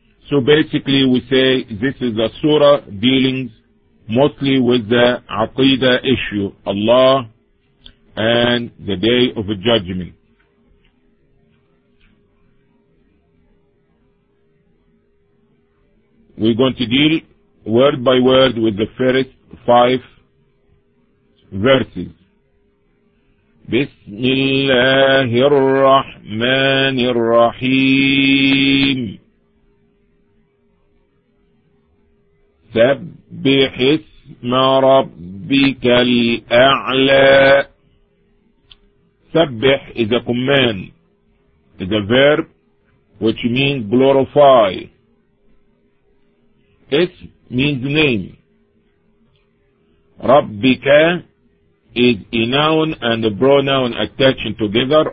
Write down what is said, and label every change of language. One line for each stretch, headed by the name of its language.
English: So basically we say this is the surah dealing mostly with the Aqidah issue, Allah and the Day of Judgment. We're going to deal word by word with the first five verses.
Arabic: بسم الله الرحمن الرحيم سبح اسم ربك الأعلى.
English: سبح is a command, is a verb which means glorify. اسم means name. ربك is a noun and a pronoun attaching together.